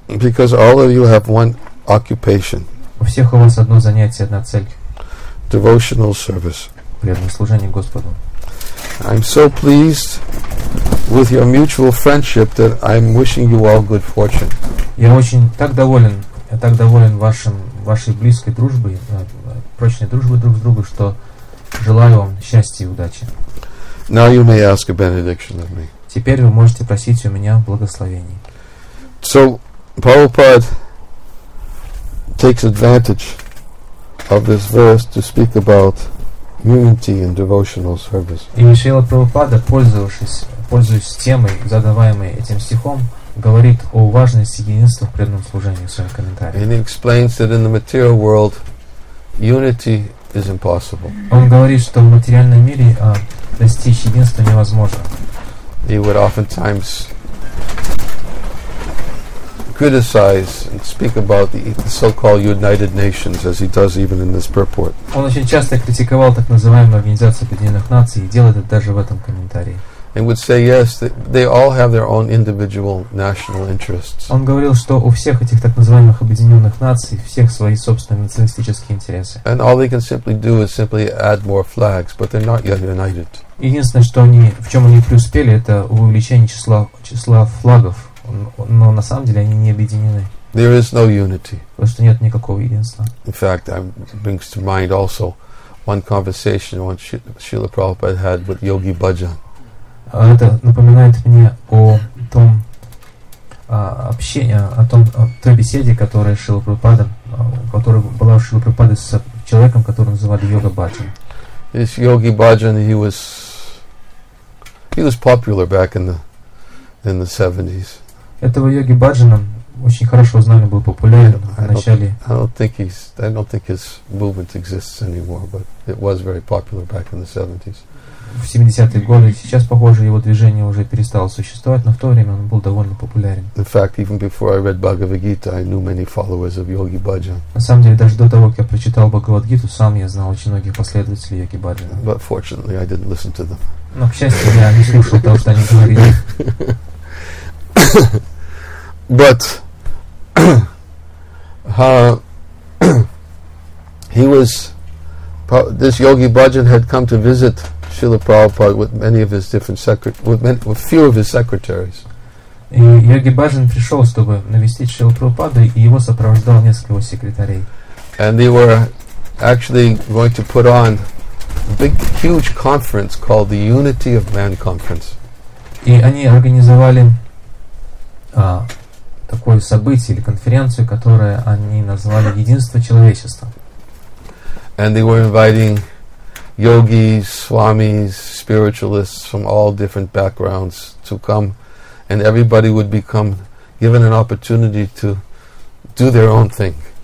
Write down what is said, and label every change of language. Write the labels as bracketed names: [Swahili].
[English] Because all of you have one occupation. [Russian] У всех у вас одно занятие, одна цель. [English] Devotional service. [Russian] Преданное служение Господу. [English] I'm so pleased with your mutual friendship that I'm wishing you all good fortune. [Russian] Я очень так доволен, я так доволен вашей близкой дружбой, прочной дружбой друг с другом, что желаю вам счастья и удачи. [English] Now you may ask a benediction of me. [Russian] Теперь вы можете просить у меня благословений. [English] So Prabhupada takes advantage of this verse to speak about unity and devotional service. [Russian] И Шрила Прабхупада, пользуясь темой, задаваемой этим стихом, говорит о важности единства в преданном служении в своем комментарии. [English] And he explains that in the material world, unity is impossible. [Russian] Он говорит, что в материальном мире достичь единства невозможно. [English] He would oftentimes criticize and speak about the so-called United Nations, as he does even in this purport. [Russian] Он очень часто критиковал так называемую Организацию Объединенных Наций и делает это даже в этом комментарии. [English] And would say yes, they all have their own individual national interests. [Russian] Он говорил, что у всех этих так называемых Объединенных Наций всех свои собственные националистические интересы. [English] And all they can simply do is simply add more flags, but they're not yet united. [Russian] Единственное, что они в чем они преуспели, это в увеличении числа флагов. Но на самом деле они не объединены. [English] There is no unity. [Russian] Потому что нет никакого единства. [English] In fact, that brings to mind also one conversation once Srila Prabhupada had with Yogi Bhajan. [Russian] Это напоминает мне о том общении, о том той беседе, которая Шрила Прабхупада, которая была у Шрила Прабхупады с человеком, которого называли Йога Баджан. [English] This Yogi Bhajan, he was popular back in the 70s. [Russian] Этого Йоги Баджана очень хорошо знали, был популярен в начале. [English] I don't think his movement exists anymore, but it was very popular back in the 70s. [Russian] В 70-е годы, сейчас, похоже, его движение уже перестало существовать, но в то время он был довольно популярен. [English] In fact, even before I read Bhagavad Gita, I knew many followers of Yogi Bhajan. [Russian] На самом деле, даже до того, как я прочитал Бхагавад Гиту, сам я знал очень многих последователей Йоги Баджана. [English] But fortunately, I didn't listen to them. [Russian] Но, к счастью, я не слушал того, что они говорили. [English] But he was this Yogi Bhajan had come to visit Srila Prabhupada with many of his different with few of his secretaries. [Russian] И Йоги Бхаджан пришел, чтобы навестить Шрилу Прабхупаду, и его сопровождал несколько его секретарей. [English] And they were actually going to put on a big, huge conference called the Unity of Man Conference. [Russian] И они организовали такое событие или конференцию, которое они назвали «Единство человечества». [English] And they were inviting yogis, swamis, spiritualists from all different backgrounds to come, and everybody would become given an opportunity to do their own thing.